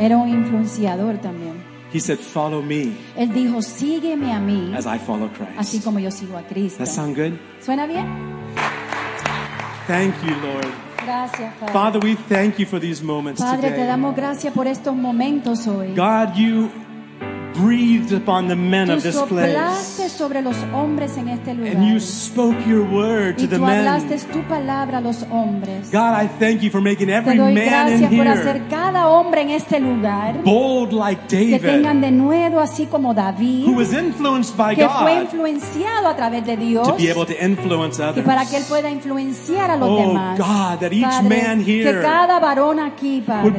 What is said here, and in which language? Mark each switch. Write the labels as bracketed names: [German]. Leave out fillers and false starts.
[Spanish] Era un influenciador también. [English] He said, "Follow me." [Spanish] Él dijo, sígueme a mí. [English] As I follow Christ. [Spanish] Así como yo sigo a Cristo. [English] That sound good? [Spanish] Suena bien. [English] Thank you, Lord. [Spanish] Gracias, Padre. [English] Father, we thank you for these moments [Spanish] Padre, Padre, te damos gracias por estos momentos hoy. [English] God, you breathed upon the men of this place. [Spanish] Tú soplaste sobre los hombres en este lugar. [English] And you spoke your word to the men. [Spanish] Y tú hablaste tu palabra a los hombres. [English] God, I thank you for making every man in here. [Spanish] Te doy gracias por hacer cada hombre en este lugar. [English] Bold like David. [Spanish] Que tengan de nuevo así como David. [English] Who was influenced by [Spanish] God. Que fue influenciado a través de Dios. [English] To be able to influence others. [Spanish] Y para que él pueda influenciar a los oh, demás. [English] Oh God, that each [Spanish] Padre, [English] man here. [Spanish] Que cada varón aquí, Padre,